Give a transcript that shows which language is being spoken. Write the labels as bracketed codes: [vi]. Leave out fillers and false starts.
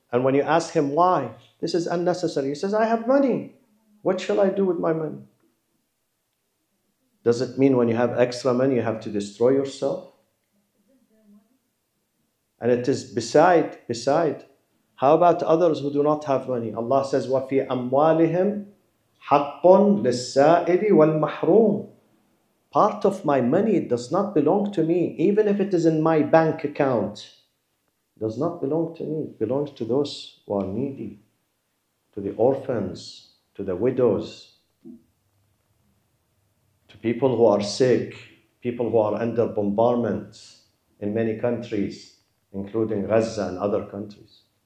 [en] And when you ask him why, this is unnecessary. He says, I have money. What shall I do with my money? Does it mean when you have extra money, you have to destroy yourself? And it is beside. How about others who do not have money? Allah says, [ar] وَفِي أَمْوَالِهِمْ حَقٌ لِلسَّائِلِ وَالْمَحْرُومِ. [en] Part of my money does not belong to me, even if it is in my bank account. Does not belong to me. It belongs to those who are needy, to the orphans, to the widows, to people who are sick, people who are under bombardment in many countries, including Gaza and other countries.